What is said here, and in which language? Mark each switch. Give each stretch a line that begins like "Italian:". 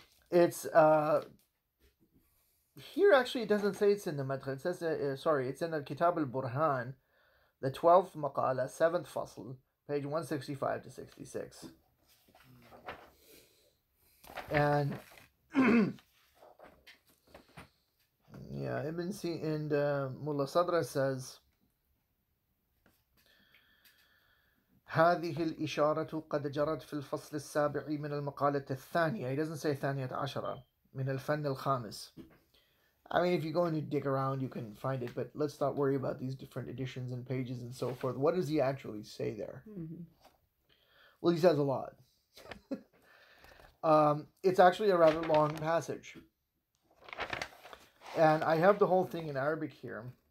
English: It's here, actually, it doesn't say it's in the Madrid. It says, it's in the Kitab al-Burhan, the 12th Maqala, 7th Fasl, page 165-66. And, Ibn Sina and Mullah Sadra says,
Arabic: هذه الإشارة قد جرت في الفصل السابع من المقالة الثانية.
English: He doesn't say
Arabic: الثانية عشرة من الفن الخامس.
English: I mean, if you go and you dig around, you can find it, but let's not worry about these different editions and pages and so forth. What does he actually say there? Mm-hmm. Well, he says a lot. it's actually a rather long passage. And I have the whole thing in Arabic here.